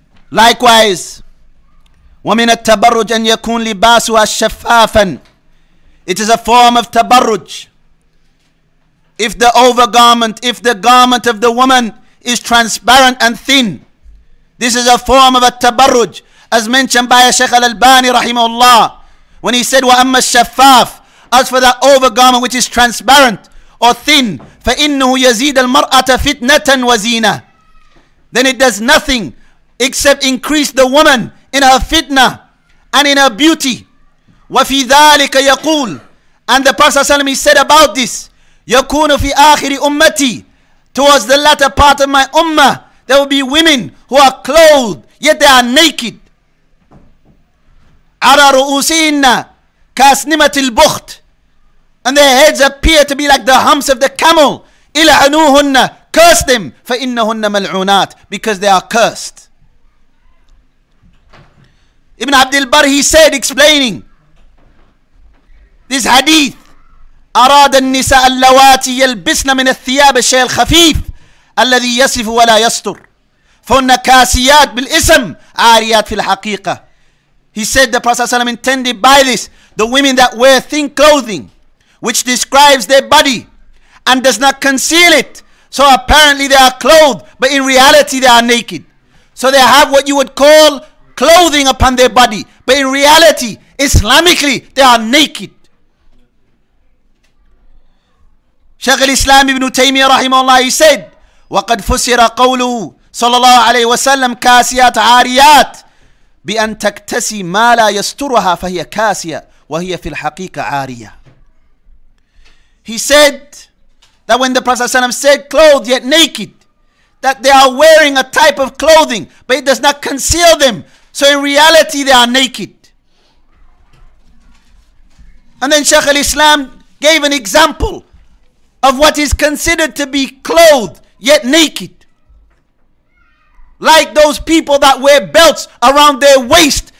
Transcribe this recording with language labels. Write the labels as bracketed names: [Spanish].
[English] Likewise, [Arabic] وَمِنَ التَّبَرُّجْ أَنْ يَكُونْ لِبَاسُهَا شَفَّافًا. [English] It is a form of tabarruj. If the overgarment, if the garment of the woman is transparent and thin, this is a form of a tabarruj, as mentioned by Shaykh al-Albani rahimahullah, when he said, [Arabic] وَأَمَّا الشَّفَّافِ, [English] as for that overgarment which is transparent or thin, [Arabic] فَإِنَّهُ يَزِيدَ الْمَرْأَةَ فِتْنَةً وَزِينَةً, [English] then it does nothing except increase the woman in her fitna and in her beauty. [Arabic] وَفِي ذَلِكَ يَقُولُ, [English] and the Prophet ﷺ, he said about this, [Arabic] يَكُونُ فِي آخِرِ أُمَّتِي, [English] towards the latter part of my ummah, there will be women who are clothed, yet they are naked. [Arabic] عَرَى رُؤُوسِهِنَّ كَاسْنِمَةِ الْبُخْتِ, [English] and their heads appear to be like the humps of the camel. [Arabic] إِلَعَنُوهُنَّ, [English] curse them, [Arabic] فَإِنَّهُنَّ مَلْعُونَاتِ, [English] because they are cursed. Ibn Abdul Bar, he said, explaining this hadith, [Arabic] أراد النساء اللواتي يلبسن من الثياب الشيء الخفيف الذي يصف ولا يستر فهن كاسيات بالاسم عاريات في الحقيقة. [English] He said, the Prophet ﷺ intended by this, the women that wear thin clothing, which describes their body and does not conceal it, so apparently they are clothed, but in reality they are naked. So they have what you would call clothing upon their body, but in reality, Islamically, they are naked. [Arabic] Shaykh al-Islam ibn Taymiyyah rahimahullah, [English] he said, [Arabic] وَقَدْ فُسِرَ قَوْلُهُ صَلَى اللَّهُ عَلَيْهِ وَسَلَّمْ كَاسِيَاتْ عَارِيَاتْ بِأَنْ تَكْتَسِي مَا لَا يَسْتُرُهَا فَهِيَ كَاسِيَةْ وَهِيَ فِي الْحَقِيقَ عَارِيَةْ. [English] He said that when the Prophet ﷺ said clothed yet naked, that they are wearing a type of clothing, but it does not conceal them, so in reality they are naked. And then Shaykh al-Islam gave an example of what is considered to be clothed yet naked, like those people that wear belts around their waist.